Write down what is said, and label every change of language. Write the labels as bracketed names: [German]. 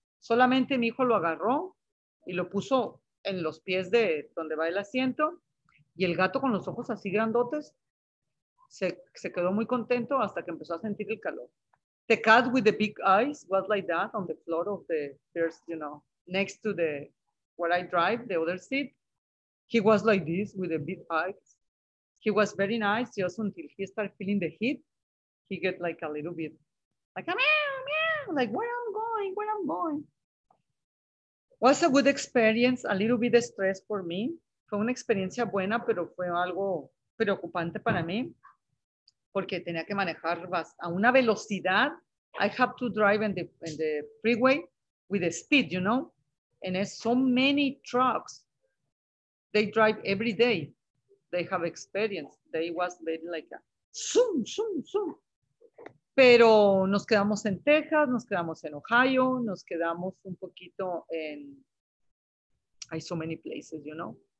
[Spanish] Solamente mi hijo lo agarró y lo puso en los pies de donde va el asiento. Y el gato con los ojos así grandotes se quedó muy contento hasta que empezó a sentir el calor. [English] The cat with the big eyes was like that on the floor of the first, you know, next to the where I drive, the other seat. He was like this with the big eyes. He was very nice just until he started feeling the heat. He get like a little bit like a meow, meow, like where I'm going, where I'm going. Was a good experience, a little bit of stress for me. [Spanish] Fue una experiencia buena, pero fue algo preocupante para mí porque tenía que manejar a una velocidad. [English] I have to drive in the freeway with the speed, you know? And there's so many trucks. They drive every day. They have experience. They was very like a zoom, zoom, zoom. [Spanish] Pero nos quedamos en Texas, nos quedamos en Ohio, nos quedamos un poquito en, hay [English] so many places, you know?